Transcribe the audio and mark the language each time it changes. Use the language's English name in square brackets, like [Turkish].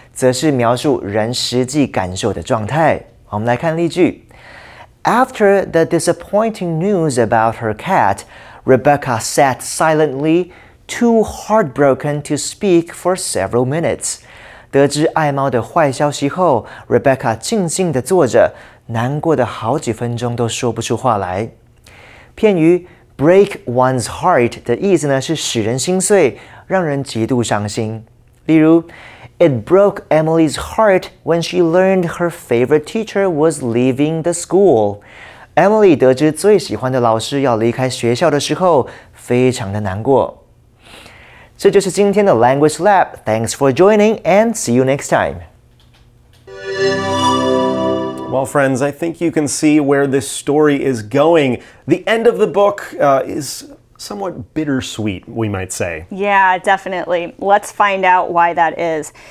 [Chinese] 则是描述人实际感受的状态。我们来看例句。 [English] After the disappointing news about her cat, Rebecca sat silently, too heartbroken to speak for several minutes. [Chinese] 得知爱猫的坏消息后， Rebecca 静静地坐着，难过的好几分钟都说不出话来。片语 [English] break one's heart [Chinese] 的意思呢，是使人心碎，让人极度伤心。例如 [English] It broke Emily's heart when she learned her favorite teacher was leaving the school. [Chinese] Emily 得知最喜欢的老师要离开学校的时候，非常的难过。这就是今天的 Language Lab. [English] Thanks for joining and see you next time. Well, friends, I think you can see where this story is going. The end of the book is... somewhat bittersweet, we might say. Yeah, definitely. Let's find out why that is.